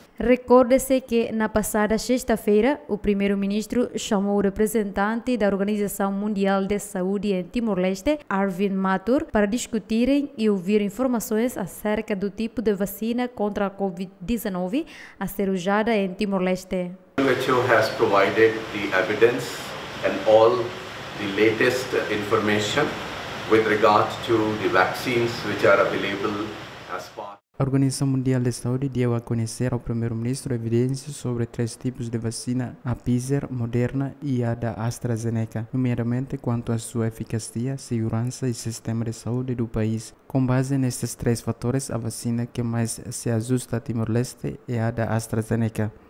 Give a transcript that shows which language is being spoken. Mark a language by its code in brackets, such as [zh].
[pt] Recorde-se que, na passada sexta-feira, o primeiro-ministro chamou o representante da Organização Mundial de Saúde em Timor-Leste, Arvin Matur, para discutirem e ouvir informações acerca do tipo de vacina contra a Covid-19 a ser usada em Timor-Leste. [en] O WHO has provided the evidence and all the latest information with regard to the vaccines which are available as part. [pt] A Organização Mundial de Saúde deu a conhecer ao primeiro-ministro evidências sobre três tipos de vacina, a Pfizer, Moderna e a da AstraZeneca, nomeadamente quanto à sua eficácia, segurança e sistema de saúde do país. Com base nestes três fatores, a vacina que mais se ajusta a Timor-Leste é a da AstraZeneca.